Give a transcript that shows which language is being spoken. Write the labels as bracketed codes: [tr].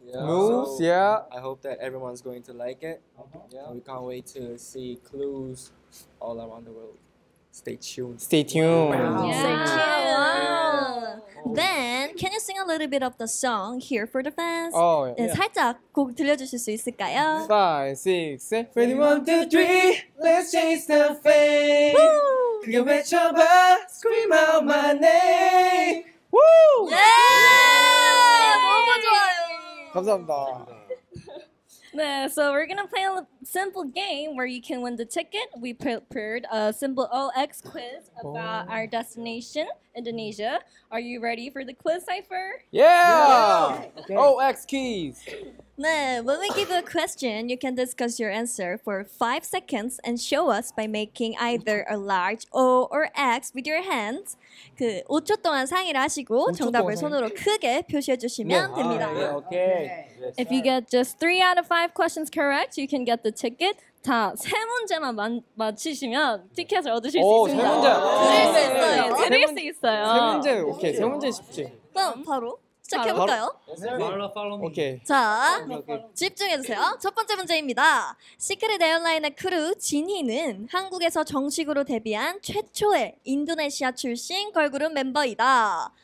[en] Yeah. Moves. So yeah. I hope that everyone's going to like it. Yeah. And we can't wait to see clues all around the world. Stay tuned. Stay tuned. Wow. Yeah. Stay tuned. Wow. Then, can you sing a little bit of the song here for the fans? Oh, yeah. [ko] 네, 살짝 곡 들려주실 수 있을까요? [en] 5, 6, 7 1, 2, 3, let's chase the fame. [ko] 크게 외쳐봐, [en] scream out my name. Woo! [ko] Yeah! Yeah! 너무 좋아요. 감사합니다. [en] 네, so we're gonna play a simple game where you can win the ticket. We prepared a simple OX quiz about our destination, Indonesia. Are you ready for the quiz, Cypher? Yeah! OX keys! 네, when we give you a question, you can discuss your answer for 5 seconds and show us by making either a large O or X with your hands. [ko] 그 5초 동안 상의를 하시고 정답을 손으로 크게 표시해 주시면 네. 됩니다. [en] 아, 네, okay. Okay. If you get just 3 out of 5 questions correct, you can get the ticket. [ko] 다 세 문제만 맞히시면 티켓을 얻으실 수 있습니다. 세 문제! 드릴 수 있어요. 드릴 수 있어요. 세 문제, 오케이. 세 문제 쉽지. 그럼 바로 시작해볼까요? 바로 팔로우 미. 오케이. 자, 집중해주세요. 첫 번째 문제입니다. 시크릿 에어라인의 크루 진희는 한국에서 정식으로 데뷔한 최초의 인도네시아 출신 걸그룹 멤버이다.